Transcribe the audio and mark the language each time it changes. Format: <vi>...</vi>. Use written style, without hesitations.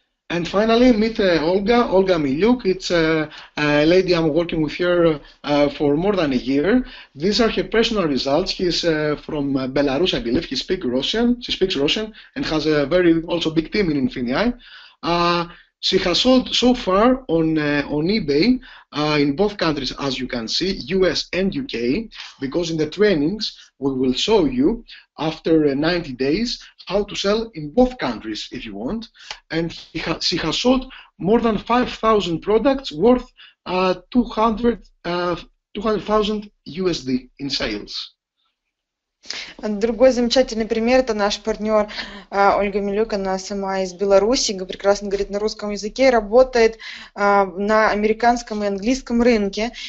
<en>And finally, meet Olga Miliuk. It's a lady I'm working with here for more than a year. These are her personal results. She's from Belarus, I believe. She speaks Russian and has a very also big team in Infineon. She has sold so far on eBay in both countries, as you can see, US and UK, because in the trainings we will show you after 90 days how to sell in both countries if you want. And she has sold more than 5,000 products worth 200,000 USD in sales.</en> <ru>Другой замечательный пример – это наш партнер Ольга Милюк, она сама из Беларуси, прекрасно говорит на русском языке, работает на американском и английском рынке.</ru>